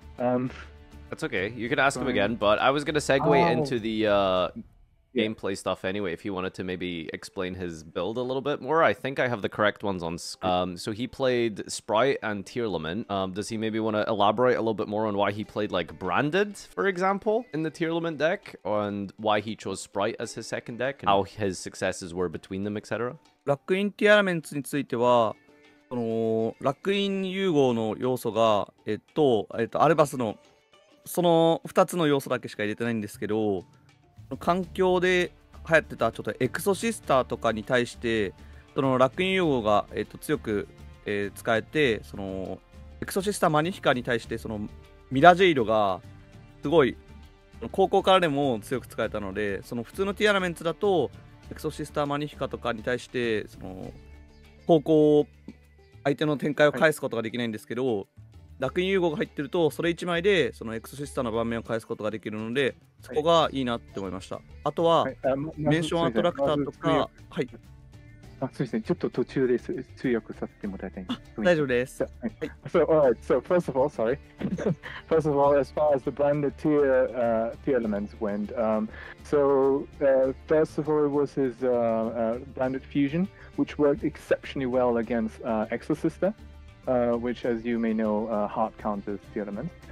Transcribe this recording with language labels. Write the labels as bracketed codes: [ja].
[en] That's okay, you can ask him again, but I was going to segue into the gameplay stuff anyway, if he wanted to maybe explain his build a little bit more. I think I have the correct ones on screen. So he played Sprite and Tier Lament. Does he maybe want to elaborate a little bit more on why he played like Branded, for example, in the Tier Lament deck, and why he chose Sprite as his second deck, and how his successes were between them, etc.? [ja] ラックインティアラメンツについてはそのラックイン融合の要素がアルバスのその2つの要素だけしか入れてないんですけど、環境で流行ってたちょっとエクソシスターとかに対してそのラックイン融合が強く、使えて、そのエクソシスターマニフィカに対してそのミラジェイドがすごい高校からでも強く使えたので、その普通のティアラメンツだとエクソシスターマニフィカとかに対してその方向を相手の展開を返すことができないんですけど、ラクイン融合が入ってるとそれ1枚でそのエクソシスターの盤面を返すことができるので、そこがいいなって思いました。あとはメンションアトラクターとか、はい、あ、すいません、ちょっと途中で通訳させてもらいたいんです。大丈夫です。 [en] So, all right, so first of all, sorry. First of all, as far as the branded tier, tier elements went, first of all, it was his branded fusion, which worked exceptionally well against Exosister, which, as you may know, heart counters the element.